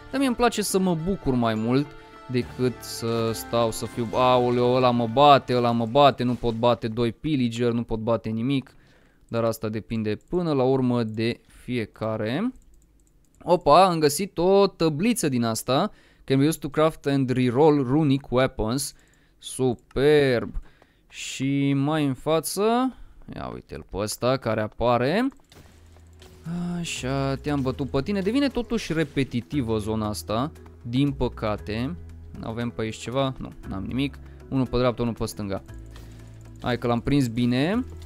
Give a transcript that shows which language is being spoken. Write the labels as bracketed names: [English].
[Romanian] Dar mie îmi place să mă bucur mai mult decât să stau să fiu... Aoleu, ăla mă bate, nu pot bate doi pillager, nu pot bate nimic. Dar asta depinde până la urmă de fiecare. Opa, am găsit o tăbliță din asta. [English] Can be used to craft and reroll runic weapons. [Romanian] Superb. Și mai în față, ia uite-l pe ăsta care apare. Așa, te-am bătut pe tine. Devine totuși repetitivă zona asta, din păcate. Avem pe aici ceva? Nu, n-am nimic. Unul pe dreapta, unul pe stânga. Hai că l-am prins bine.